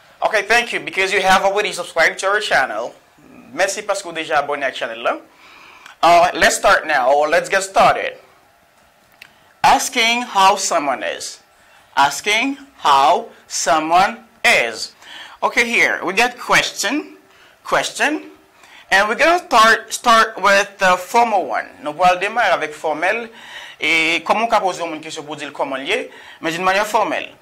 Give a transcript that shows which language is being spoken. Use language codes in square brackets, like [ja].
[en] Okay, thank you, because you have already subscribed to our channel. [fr] Merci parce que vous déjà abonné à la chaîne. [en] Let's start now, or let's get started. Asking how someone is. Asking how someone is. Okay, here, we get question, and we're going to start with the formal one. [fr] Nous allons démarrer avec formel, et comment on peut poser une question pour dire comment lié, mais d'une manière formelle.